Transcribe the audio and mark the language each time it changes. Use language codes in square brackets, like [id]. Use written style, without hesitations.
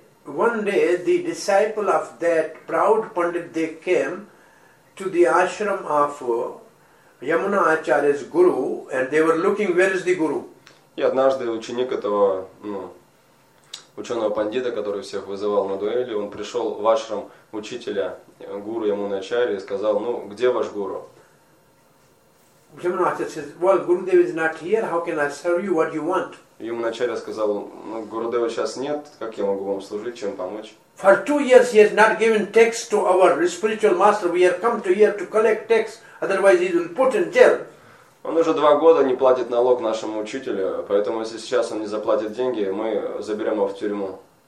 [en] One day, the disciple of that proud pandit, they came to the ashram of Yamuna Acharya's guru, and they were looking, where is the guru? [ru] И однажды ученик этого ученого пандита, который всех вызывал на дуэли, он пришел в ашрам учителя гуру Ямуна Ачарьи и сказал, где ваш гуру? Ямуна Ачарья says, well, Gurudev is not here, how can I serve you, what you want? Ямуна Ачарья сказал, Гурудева сейчас нет, как я могу вам служить, чем помочь? [en] For 2 years he has not given tax to our spiritual master, we have come to here to collect tax, otherwise he will put in jail. [ru] Он уже 2 года не платит налог нашему учителю, поэтому если сейчас он не заплатит деньги, мы заберем его в тюрьму.